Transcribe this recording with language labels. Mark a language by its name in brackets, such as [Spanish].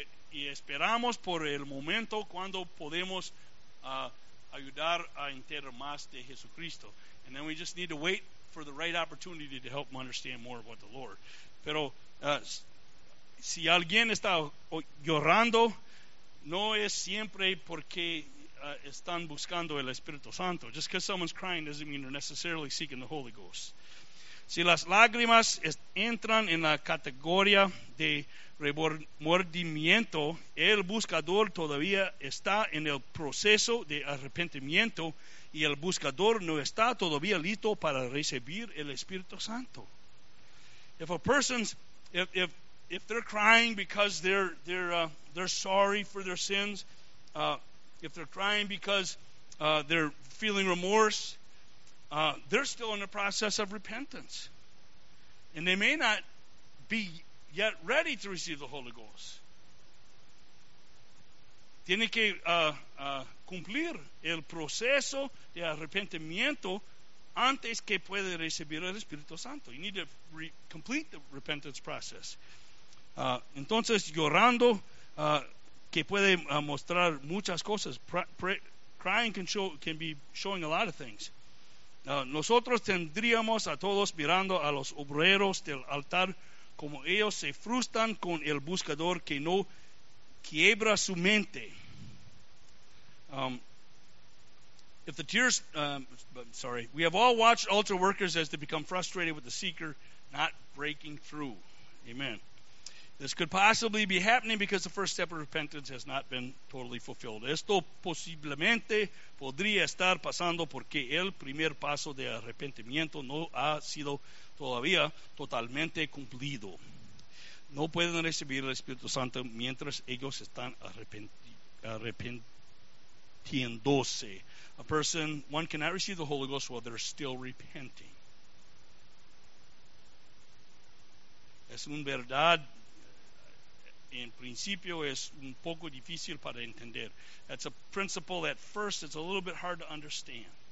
[Spanish] Y esperamos por el momento cuando podemos ayudar a entender más de Jesucristo. [English] And then we just need to wait for the right opportunity to help him understand more about the Lord. [Spanish] Pero si alguien está llorando, no es siempre porque están buscando el Espíritu Santo. [English] Just because someone's crying doesn't mean they're necessarily seeking the Holy Ghost. [Spanish] Si las lágrimas entran en la categoría de remordimiento, el buscador todavía está en el proceso de arrepentimiento y el buscador no está todavía listo para recibir el Espíritu Santo. [English] If a person's if they're crying because they're sorry for their sins, if they're crying because they're feeling remorse, they're still in the process of repentance. And they may not be yet ready to receive the Holy Ghost. [Spanish] Tiene que cumplir el proceso de arrepentimiento antes que puede recibir el Espíritu Santo. [English] You need to complete the repentance process. [Spanish] Entonces, llorando, que puede mostrar muchas cosas. [English] Crying can be showing a lot of things. [Spanish] Nosotros tendríamos a todos mirando a los obreros del altar como ellos se frustran con el buscador que no quiebra su mente. [English] If the tears, sorry, we have all watched altar workers as they become frustrated with the seeker not breaking through. Amen. This could possibly be happening because the first step of repentance has not been totally fulfilled. [Spanish] Esto posiblemente podría estar pasando porque el primer paso de arrepentimiento no ha sido todavía totalmente cumplido. No pueden recibir el Espíritu Santo mientras ellos están arrepintiéndose. [English] One cannot receive the Holy Ghost while they're still repenting. [Spanish] Es una verdad. En principio es un poco difícil para entender. [English] That's a principle at first, it's a little bit hard to understand.